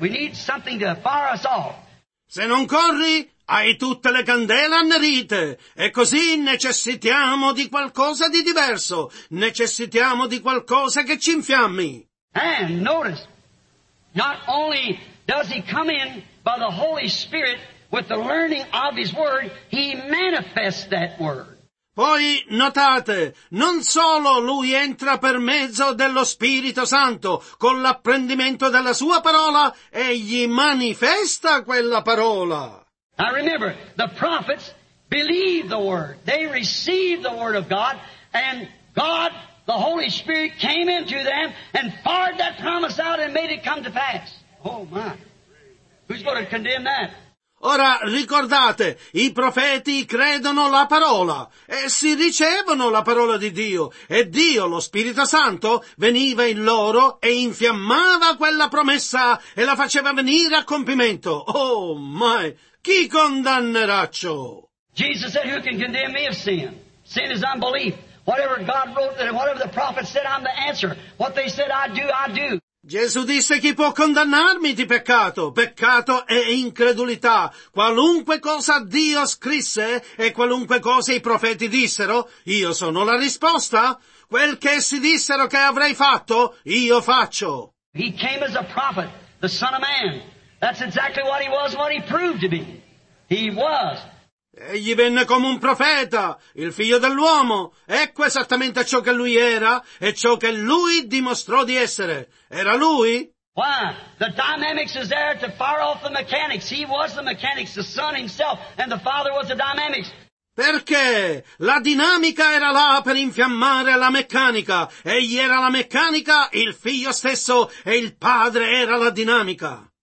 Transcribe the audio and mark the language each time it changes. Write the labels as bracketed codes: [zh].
[en] We need something to fire us off. [it] Se non corri, hai tutte le candele annerite, e così necessitiamo di qualcosa di diverso, necessitiamo di qualcosa che ci infiammi. [en] And notice, not only does he come in by the Holy Spirit with the learning of his word, he manifests that word. [it] Poi notate, non solo lui entra per mezzo dello Spirito Santo, con l'apprendimento della sua parola, egli manifesta quella parola. [en] Now remember, the prophets believed the word. They received the word of God, and God, the Holy Spirit, came into them and fired that promise out and made it come to pass. Oh my. Who's going to condemn that? [it] Ora ricordate, i profeti credono la parola, essi ricevono la parola di Dio, e Dio, lo Spirito Santo, veniva in loro e infiammava quella promessa e la faceva venire a compimento. [en] Oh my. [it] Chi condannerà ciò? [en] Jesus said, who can condemn me of sin? Sin is unbelief. Whatever God wrote, whatever the prophets said, I'm the answer. What they said, I do, I do. [it] Gesù disse, chi può condannarmi di peccato? Peccato è incredulità. Qualunque cosa Dio scrisse e qualunque cosa i profeti dissero, io sono la risposta. Quel che essi dissero che avrei fatto, io faccio. [en] He came as a prophet, the Son of Man. That's exactly what he was, what he proved to be. He was. [it] Egli venne come un profeta, il figlio dell'uomo. Ecco esattamente ciò che lui era e ciò che lui dimostrò di essere. Era lui? [en] Why? The dynamics is there to fire off the mechanics. He was the mechanics, the son himself, and the father was the dynamics. [it] Perché? La dinamica era là per infiammare la meccanica. Egli era la meccanica, il figlio stesso, e il padre era la dinamica.